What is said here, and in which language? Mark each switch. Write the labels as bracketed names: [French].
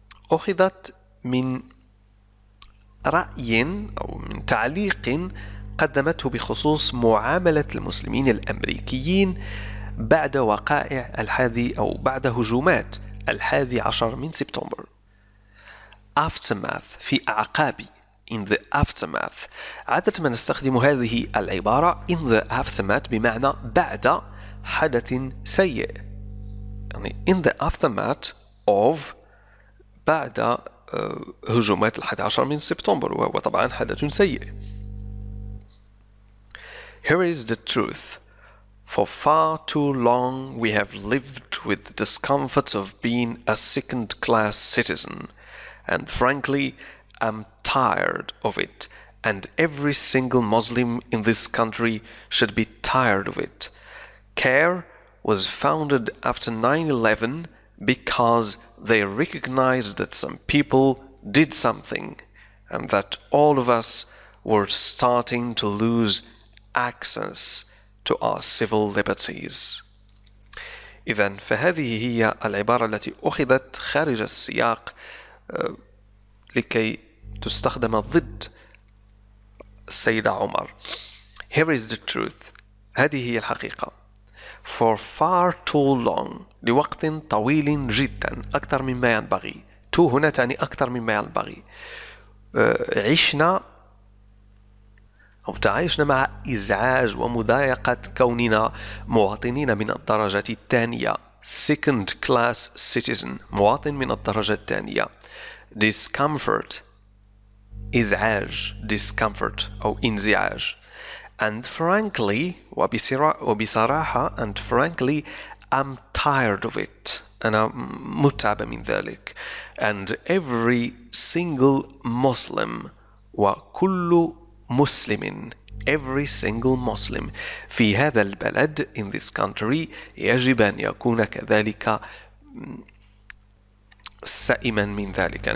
[Arabic] أخذت من رأي أو من تعليق قدمته بخصوص معاملة المسلمين الأمريكيين بعد وقائع الحادي أو بعد هجومات الحادي عشر من سبتمبر. [English] Aftermath, [Arabic] في أعقابي, [English] in the aftermath. [Arabic] عادة ما نستخدم هذه العبارة [English] in the aftermath [Arabic] بمعنى بعد حدث سيء, يعني [English] in the aftermath of, [Arabic] بعد هجومات الحادي عشر من سبتمبر, وطبعا حدث سيء. [English] Here is the truth. For far too long we have lived with the discomfort of being a second class citizen. And frankly, I'm tired of it. And every single Muslim in this country should be tired of it. CARE was founded after 9/11 because they recognized that some people did something and that all of us were starting to lose access to our civil liberties. [Arabic] إذن فهذه هي العبارة التي أخذت خارج السياق لكي تستخدم ضد السيدة عمر. [English] Here is the truth. [Arabic] هذه هي الحقيقة. [English] For far too long. [Arabic] لوقت طويل جدا. أكثر مما ينبغي. To هنا تعني أكثر مما ينبغي. عشنا أو تعايشنا مع إزعاج ومضايقة كوننا مواطنين من الدرجة الثانية. [English] Second class citizen. [Arabic] مواطن من الدرجة الثانية. [English] Discomfort. إزعاج. [Arabic] Discomfort أو انزعاج. [English] And frankly, [Arabic] وبصراحة, [English] and frankly, I'm tired of it. [Arabic] أنا متعب من ذلك. [English] And every single Muslim, [Arabic] وكل مسلم, [English] every single Muslim [Arabic] في هذا البلد, [English] in this country, [Arabic] يجب أن يكون كذلك سائما من ذلك.